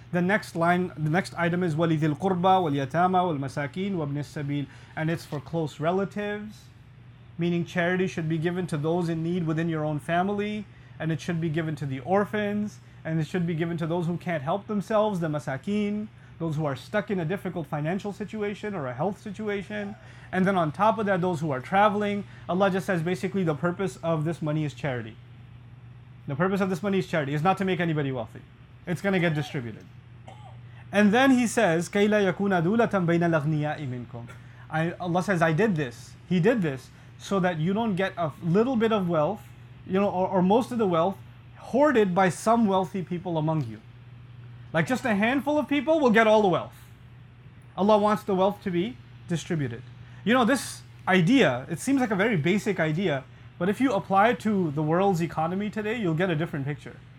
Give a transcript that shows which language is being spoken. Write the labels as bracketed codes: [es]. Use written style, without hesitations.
[en] The next line, the next item is [ar] walidil qurba, wal yatama, wal masakin, wa ibn as-sabil, [en] and it's for close relatives, meaning charity should be given to those in need within your own family, and it should be given to the orphans, and it should be given to those who can't help themselves, the masakin, those who are stuck in a difficult financial situation or a health situation. And then on top of that, those who are traveling. Allah just says basically the purpose of this money is charity. The purpose of this money is charity. It's not to make anybody wealthy. It's going to get distributed. And then he says, [ar] كَيْلَا يَكُونَ دُولَةً بَيْنَ الْأَغْنِيَاءِ مِنْكُمْ. [en] Allah says, I did this. He did this so that you don't get a little bit of wealth, you know, or most of the wealth hoarded by some wealthy people among you. Like just a handful of people will get all the wealth. Allah wants the wealth to be distributed. You know, this idea, it seems like a very basic idea, but if you apply it to the world's economy today, you'll get a different picture.